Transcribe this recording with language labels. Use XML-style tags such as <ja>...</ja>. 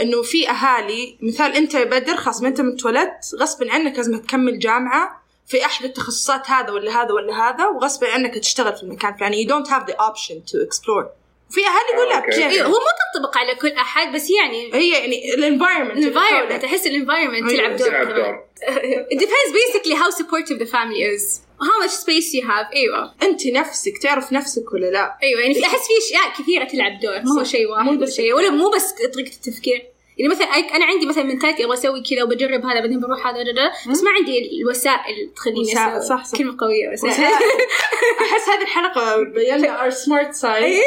<ar>إنه في أهالي مثال أنت بدر خاص ما أنت متولد غصب عنك لازم تكمل جامعة في احد التخصصات هذا ولا هذا ولا هذا وغصب عنك تشتغل في المكان الفلاني.</ar> <en>You don't have the option to explore.</en> <ar>في اهل يقول لك هو ما تنطبق على كل احد بس يعني هي يعني الانفايرمنت تحس الانفايرمنت تلعب دور.</ar> <en>It depends basically how supportive the family is. How much space you have.</en> <ar>ايوه انت نفسك تعرف نفسك ولا لا. ايوه يعني احس في اشياء كثيره تلعب دور مو شيء واحد مو شيء ولا مو بس طريقه التفكير. يعني مثلا انا عندي مثلا منتاليتي ابغى اسوي كذا وبجرب هذا بعدين بروح هذا دا بس ما عندي الوسائل تخليني اسوي كلمه قويه وسائل. احس هذه الحلقه بينا</ar> <en>our smart side</en>